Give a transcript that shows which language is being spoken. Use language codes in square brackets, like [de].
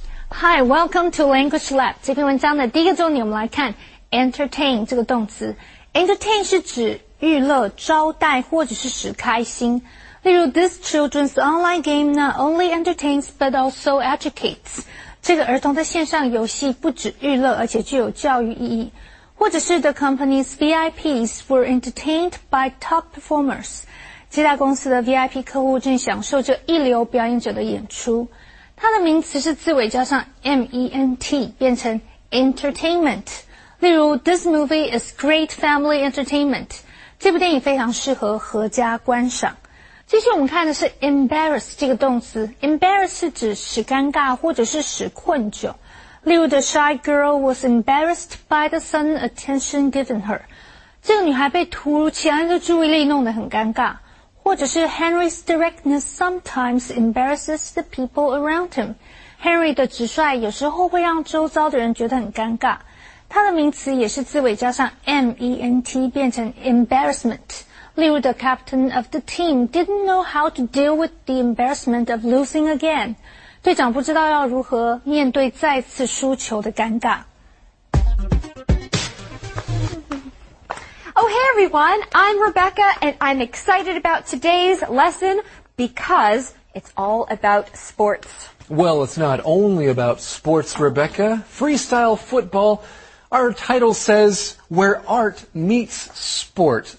[en] Hi, welcome to Language Lab. [zh] 这篇文章的第一个重点我们来看 entertain 这个动词。 entertain 是指娱乐、招待或者是使开心。例如 [en] ,this children's online game not only entertains but also educates. [zh] 这个儿童的线上游戏不止娱乐而且具有教育意义。或者是 [en] the company's VIPs were entertained by top performers. [zh] 这家公司的 VIP 客户正享受着一流表演者的演出。它的名词是字尾加上 ment 变成 entertainment 例如 [en] This movie is great family entertainment [zh] 这部电影非常适合合家观赏接下来我们看的是 embarrass 这个动词 embarrass 是指使尴尬或者是使困窘例如 [en] The shy girl was embarrassed by the sudden attention given her [zh] 这个女孩被突如其来的注意力弄得很尴尬或者是 [en] Henry's directness sometimes embarrasses the people around him. [zh] Henry 的直率有时候会让周遭的人觉得很尴尬。他的名词也是字尾加上 ment 变成 embarrassment. [en] 例如 the captain of the team didn't know how to deal with the embarrassment of losing again. [zh] 队长不知道要如何面对再次输球的尴尬。 [en] Oh, hey everyone, I'm Rebecca and I'm excited about today's lesson because it's all about sports. Well, it's not only about sports, Rebecca. Freestyle football, our title says, where art meets sport.